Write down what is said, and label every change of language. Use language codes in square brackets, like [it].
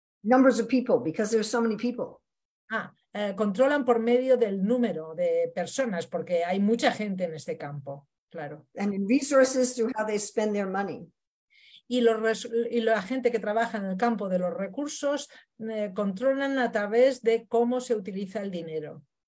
[en] Numbers of people, because there are so many people. [es] Controlan por medio del número de personas, porque hay mucha gente en este campo, claro. [en] And in resources through how they spend their money. [es] Y la gente que trabaja en el campo de los recursos controlan a través de cómo se utiliza el dinero.